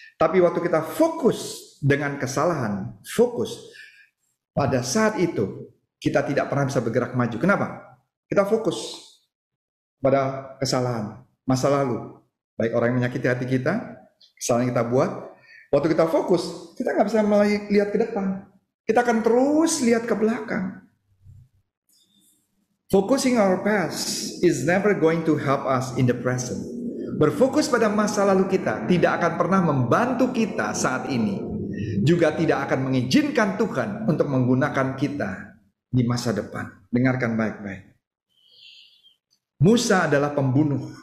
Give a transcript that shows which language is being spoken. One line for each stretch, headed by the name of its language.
Indonesian: Tapi waktu kita fokus dengan kesalahan, fokus, pada saat itu kita tidak pernah bisa bergerak maju. Kenapa? Kita fokus pada kesalahan masa lalu. Baik orang yang menyakiti hati kita, kesalahan kita buat. Waktu kita fokus, kita gak bisa melihat ke depan. Kita akan terus lihat ke belakang.
English: Focusing our past is never going to help us in the present.
Indonesian: Berfokus pada masa lalu kita tidak akan pernah membantu kita saat ini. Juga tidak akan mengizinkan Tuhan untuk menggunakan kita di masa depan. Dengarkan baik-baik. Musa adalah pembunuh.